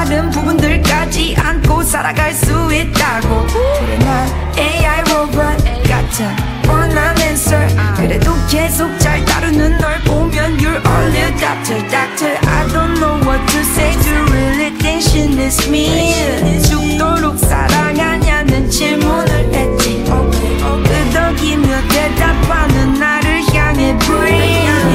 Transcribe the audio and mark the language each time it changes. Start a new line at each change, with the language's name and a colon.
Korean: 부분들까지 안고 살아갈 수 있다고. 그래 난 AI 로봇 같아 원한 answer. 그래도 계속 잘 따르는 널 보면
English: you're only a doctor. Doctor I don't know what to say. Do you really think she needs me?
Korean: 죽도록 사랑하냐는 질문을 했지. 끄덕이며 대답하는 나를 향해 breathe.